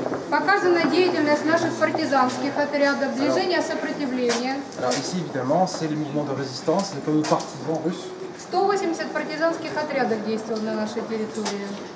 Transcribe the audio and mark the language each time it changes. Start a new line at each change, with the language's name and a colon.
Russian: Показана деятельность наших партизанских отрядов, движения сопротивления.
French: Alors ici évidemment, c'est le mouvement de résistance, les fameux partisans russes.
Russian: 180 партизанских отрядов действовало на нашей территории.